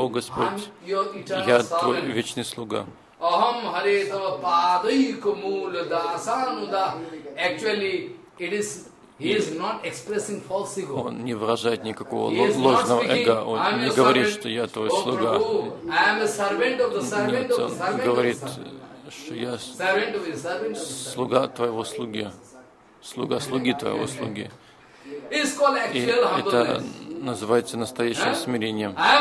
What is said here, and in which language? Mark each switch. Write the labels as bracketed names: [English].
[Russian] о, Господь, я твой вечный слуга. [Sanskrit] Ахам Харе Тава Падайка Мула Дасануда. [English] Actually, it is, he is not expressing false ego. [Russian] Он не выражает никакого ложного эго. Он не говорит, что я твой слуга. Нет, он говорит, что я слуга твоего слуги. Слуга слуги твоего слуги. И это называется настоящим смирением.